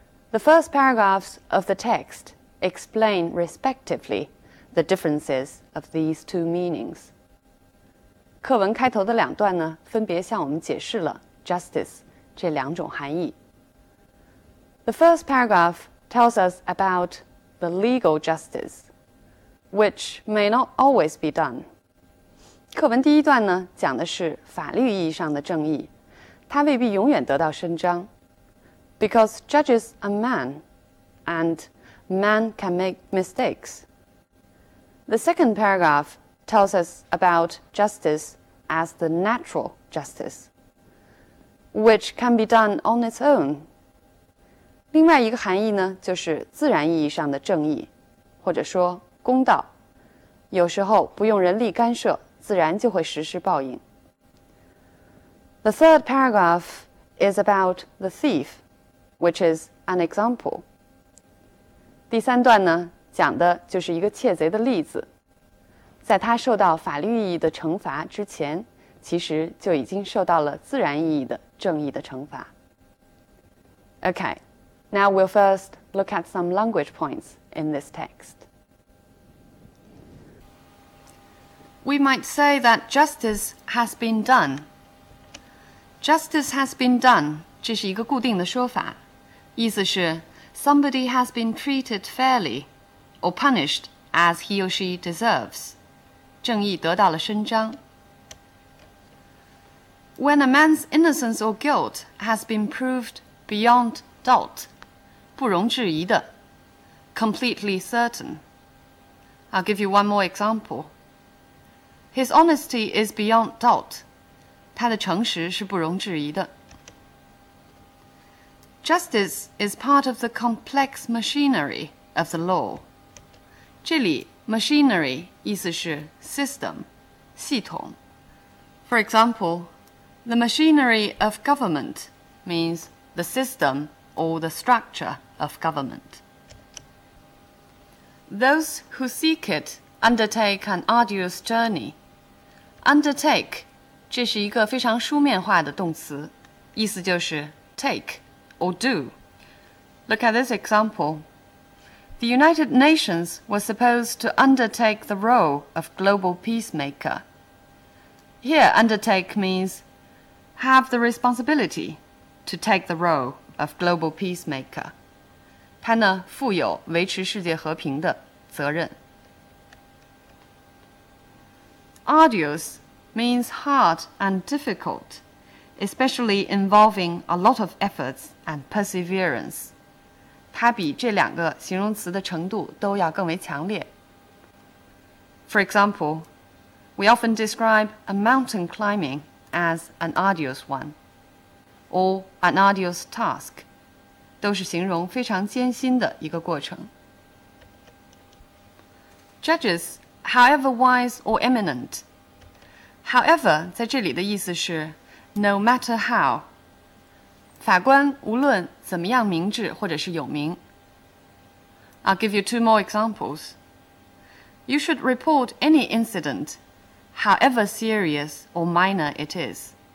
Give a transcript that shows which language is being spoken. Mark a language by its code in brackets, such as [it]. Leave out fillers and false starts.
[en] The first paragraphs of the text explain respectively the differences of these two meanings. [zh] 课文开头的两段呢，分别向我们解释了 justice 这两种含义。 [en] The first paragraph tells us about the legal justice, which may not always be done. [zh] 课文第一段呢，讲的是法律意义上的正义，它未必永远得到伸张。 [en] Because judges are men, and men can make mistakes. The second paragraph tells us about justice as the natural justice, which can be done on its own. [zh] 另外一个含义呢，就是自然意义上的正义，或者说公道，有时候不用人力干涉。自然就会实施报应。 [en] The third paragraph is about the thief, which is an example. [zh] 第三段呢，讲的就是一个窃贼的例子。在他受到法律意义的惩罚之前，其实就已经受到了自然意义的正义的惩罚。 [en] Okay, now we'll first look at some language points in this text. We might say that justice has been done. Justice has been done, [zh] 这是一个固定的说法。意思是 [en] somebody has been treated fairly, or punished as he or she deserves. [zh] 正义得到了伸张。 [en] When a man's innocence or guilt has been proved beyond doubt, [zh] 不容置疑的。 [en] Completely certain. I'll give you one more example. His honesty is beyond doubt. [zh] 他的诚实是不容置疑的。 [en] Justice is part of the complex machinery of the law. [zh] 这里 machinery 意思是 system, 系统。 [en] For example, the machinery of government means the system or the structure of government. Those who seek it undertake an arduous journey. [zh] Undertake, 这是一个非常书面化的动词，意思就是 [en] take or do. Look at this example. The United Nations was supposed to undertake the role of global peacemaker. Here, undertake means have the responsibility to take the role of global peacemaker. [zh] 他呢，负有维持世界和平的。 [en] Arduous means hard and difficult, especially involving a lot of efforts and perseverance. [zh] 它比这两个形容词的程度都要更为强烈。 [en] For example, we often describe a mountain climbing as an arduous one, or an arduous task, [zh] 都是形容非常艰辛的一个过程。 [en] Judges, however wise or eminent. However, [zh] 在这里的意思是 [en] no matter how. [zh] 法官无论怎么样明智或者是有名。 [en] I'll give you two more examples. You should report any incident, however serious or minor it is.